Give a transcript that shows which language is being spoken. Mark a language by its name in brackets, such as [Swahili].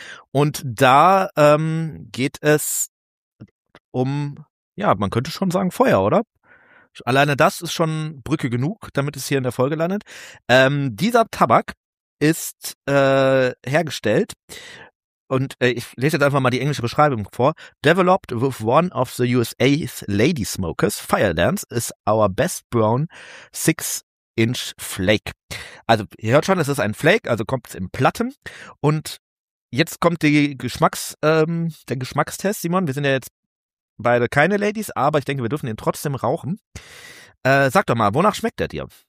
[German] Und da geht es um, ja, man könnte schon sagen Feuer, oder? Alleine das ist schon Brücke genug, damit es hier in der Folge landet. Dieser Tabak ist hergestellt und ich lese jetzt einfach mal die englische Beschreibung vor. [English] Developed with one of the USA's lady smokers, Fire Dance is our best brown 6-inch Flake. [German] Also ihr hört schon, es ist ein Flake, also kommt es in Platten. Und jetzt kommt die der Geschmackstest, Simon. Wir sind ja jetzt beide keine Ladies, aber ich denke, wir dürfen den trotzdem rauchen. Sag doch mal, wonach schmeckt er dir?